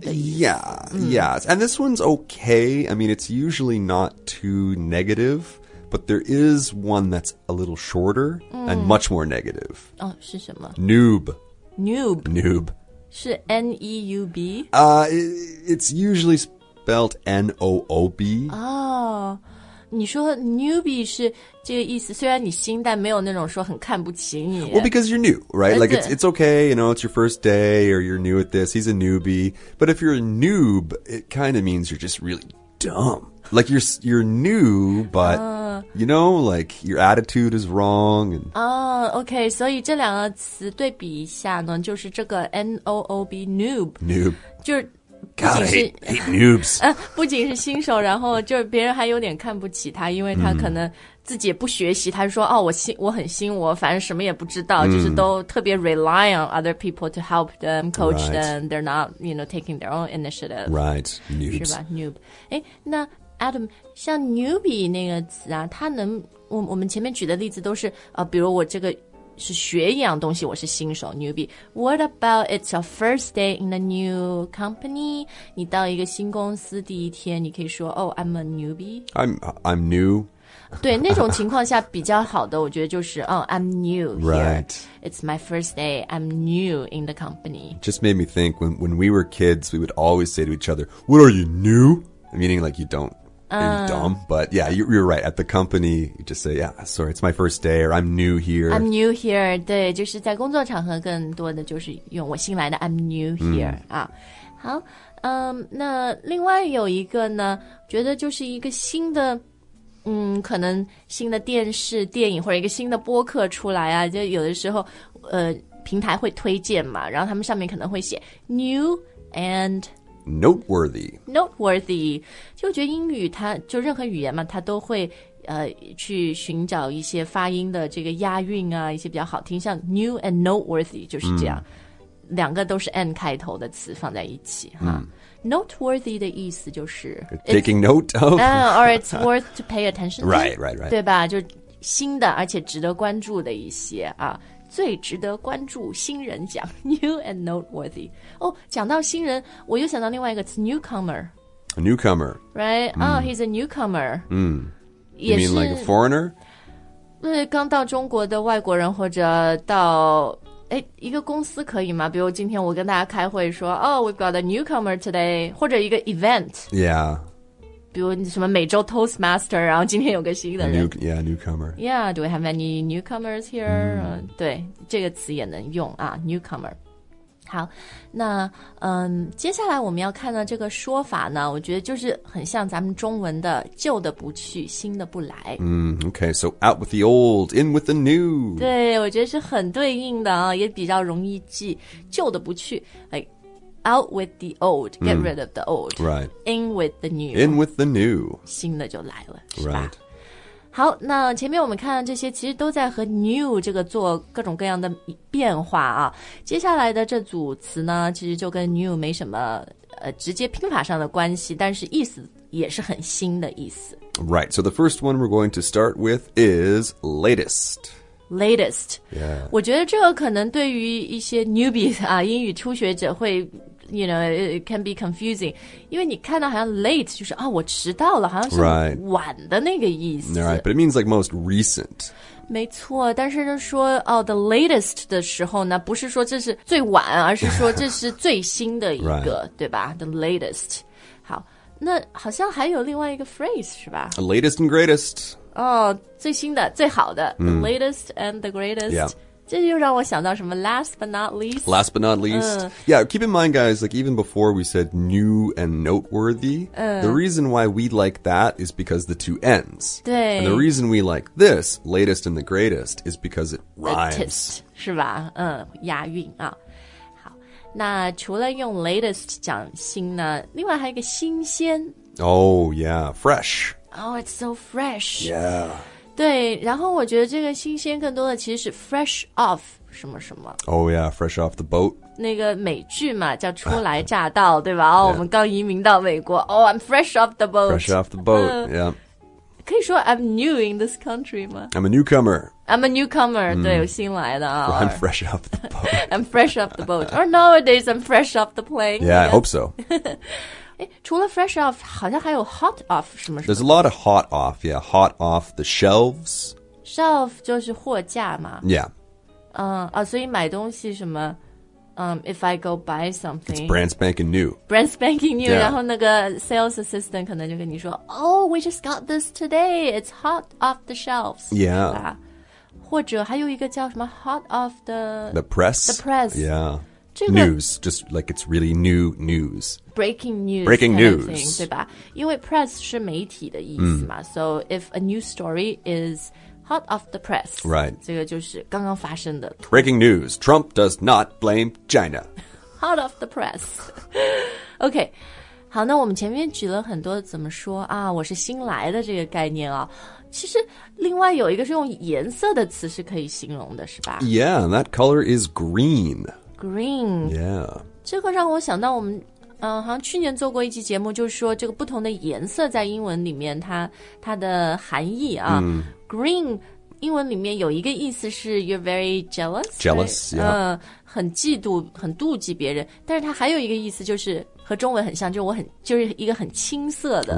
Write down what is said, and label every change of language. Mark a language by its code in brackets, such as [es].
[en] Yeah、yeah and this one's okay I mean it's usually not too negativeBut there is one that's a little shorter and much more negative. [zh] Oh, 是什么 [en] Noob. Noob. Noob. [zh] 是 N-E-U-B? [en] It's usually spelled N-O-O-B. [zh] Oh, 你说 newbie 是这个意思虽然你新但没有那种说很看不起你。 [en] Well, because you're new, right? Like, it's okay, you know, it's your first day or you're new at this. He's a newbie. But if you're a noob, it kind of means you're just really dumb. Like, you're new, but... You know, like, your attitude is wrong. And... Oh, okay. [zh] 所以这两个词对比一下呢，就是这个 N-O-O-B, noob. [en] Noob. [zh] 就是不仅是 [en] God, I hate noobs. [zh] 不仅是新手，然后就是别人还有点看不起他，因为他可能自己也不学习，他就说，哦，我很新，我反正什么也不知道，就是都特别 [en] rely on other people to help them, coach them. They're not, you know, taking their own initiative. Right, noobs. [zh] 是吧 ,noob. 诶，那Adam, 像 newbie 那个词啊，它能 我们前面举的例子都是、比如我这个是学一样东西，我是新手 newbie. [en] What about it's your first day in a new company? [zh] 你到一个新公司第一天，你可以说 [en] Oh, I'm a newbie. I'm new. [zh] 对，那种情况下比较好的，我觉得就是 [en] Oh, I'm new. Right. It's my first day. I'm new in the company. Just made me think when we were kids, we would always say to each other, "What are you new?" Meaning like you don't. You're dumb, but yeah, you're right. At the company, you just say, yeah, sorry, it's my first day, or I'm new here. I'm new here, [zh] 对，就是在工作场合更多的就是用我新来的 [en] I'm new here.、 [zh] Mm. 啊、好、那另外有一个呢，觉得就是一个新的、可能新的电视、电影或者一个新的播客出来啊，就有的时候、平台会推荐嘛，然后他们上面可能会写 new and [en] Noteworthy. [zh] 就觉得英语它就任何语言嘛它都会、去寻找一些发音的这个押韵啊一些比较好听像 [en] new and noteworthy [zh] 就是这样、两个都是 N 开头的词放在一起、Noteworthy 的意思就是 [en] Taking note of Or it's worth to pay attention to Right, right, right [zh] 对吧就新的而且值得关注的一些啊最值得关注新人奖 [en] New and noteworthy [zh] 哦、oh, 讲到新人我又想到另外一个词 Newcomer [en] A newcomer Right、oh, he's a newcomer、 You mean like a foreigner? [zh] 对刚到中国的外国人或者到诶一个公司可以吗比如今天我跟大家开会说 [en] Oh we've got a newcomer today [zh] 或者一个 event [en] Yeah [zh] 比如什么美洲 Toastmaster 然后今天有个新的人 [en] Yeah, newcomer Yeah, do we have any newcomers here?、 [zh] 对这个词也能用啊 newcomer 好那、接下来我们要看到这个说法呢我觉得就是很像咱们中文的旧的不去新的不来、 [en] Okay, so out with the old, in with the new [zh] 对我觉得是很对应的啊也比较容易记旧的不去 [en] like,Out with the old, get rid of the old. Right. In with the new. In with the new. [zh] 新的就来了，是吧？ [en] Right. [zh] 好，那前面我们看这些其实都在和 new 这个做各种各样的变化啊。接下来的这组词呢，其实就跟 new 没什么、直接拼法上的关系，但是意思也是很新的意思。 [en] Right. So the first one we're going to start with is latest. Latest. Yeah. [zh] 我觉得这个可能对于一些 newbies 啊英语初学者会 [en] you know, can be confusing. [zh] 因为你看到好像 late 就是啊我迟到了好像是晚的那个意思。 [en] Right. But it means like most recent. [zh] 没错但是说哦 [en] the latest [zh] 的时候呢不是说这是最晚而是说这是最新的一个、 [en] right. [zh] 对吧 the latest. 好那好像还有另外一个 phrase, 是吧 [en] the latest and greatest. [zh] 哦、oh, 最新的最好的、 [en] The latest and the greatest、 yeah. [zh] 这就让我想到什么 [en] Last but not least Last but not least、Yeah keep in mind guys Like even before we said New and noteworthy、The reason why we like that Is because the two ends 对 And the reason we like this Latest and the greatest Is because it rhymes [zh] 是吧嗯押韵啊好那除了用 latest 讲新呢另外还有一个新鲜 [en] Oh yeah fresh Oh, it's so fresh. Yeah. [zh] 对，然后我觉得这个新鲜更多的其实是 fresh off 什么什么。 [en] Oh yeah, fresh off the boat. [zh] 那个美剧嘛，叫初来乍到，对吧？哦、 [en] yeah. ， [zh] 我们刚移民到美国。 [en] Oh, I'm fresh off the boat. Fresh off the boat. Yeah. [zh] 可以说 [en] I'm new in this country [zh] 吗 [en] ？I'm a newcomer. I'm a newcomer.、Mm. [zh] 对，我新来的啊。 [en] I'm fresh off the boat. I'm fresh off the boat. Or nowadays, I'm fresh off the plane. Yeah, I hope so. [zh] 诶除了 fresh off, 好像还有 hot off 什么什么 [en] There's a lot of hot off, yeah. Hot off the shelves. [zh] Shelf 就是货架嘛。 [en] Yeah. [zh] 所以买东西什么、 [en] if I go buy something. It's brand spanking new. Brand spanking new,、 yeah. [zh] 然后那个 sales assistant 可能就跟你说 [en] Oh, we just got this today. It's hot off the shelves. Yeah. [zh] 或者还有一个叫什么 hot off the... [en] The press. The press. Yeah. news, just like it's really new news. Breaking news. Breaking news. [zh] Thing, 对吧？因为 press 是媒体的意思嘛。 [en] So if a news story is hot off the press. Right. [zh] 这个就是刚刚发生的。 [en] Breaking news. Trump does not blame China. Hot off the press. Okay. [zh] 好，那我们前面举了很多怎么说啊，我是新来的这个概念啊。其实另外有一个是用颜色的词是可以形容的是吧 [en] Yeah, that color is green. Green. Yeah. [zh] 这个让我想到我们好像去年做过一期节目就是说这个不同的颜色在英文里面它的含义啊、 [en] mm. [zh] Green 英文里面有一个意思是 You're very jealous [en] Jealous, right? yeah、 [zh] 很嫉妒很妒忌别人但是它还有一个意思就是和中文很像就是我很就是一个很青涩的